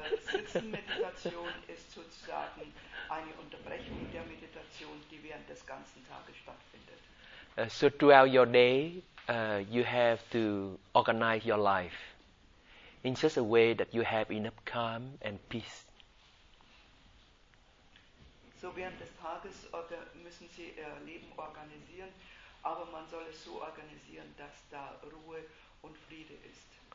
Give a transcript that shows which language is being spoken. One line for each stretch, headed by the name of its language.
German: Sitzmeditation ist sozusagen eine Unterbrechung der Meditation, die während des ganzen Tages stattfindet.
English: So throughout your day, you have to organize your life in such a way that you have enough calm and peace.
German: So während des Tages müssen Sie Ihr Leben organisieren, aber man soll es so organisieren, dass da Ruhe und Friede ist.